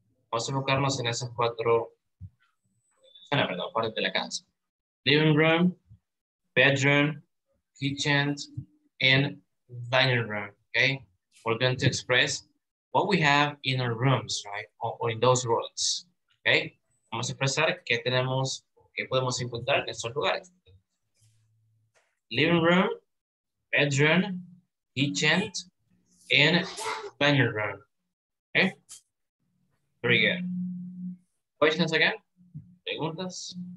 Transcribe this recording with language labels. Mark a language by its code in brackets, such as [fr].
[es] Vamos a enfocarnos en esos cuatro. No, perdón, parte de la casa. [en] Living room, bedroom, kitchen, and dining room, okay? We're going to express what we have in our rooms, right? Or in those rooms, okay? [es] Vamos a expresar qué tenemos, qué podemos encontrar en estos lugares. [en] Living room, bedroom, kitchen, and dining room, okay? Very good. Questions again? [es] Preguntas.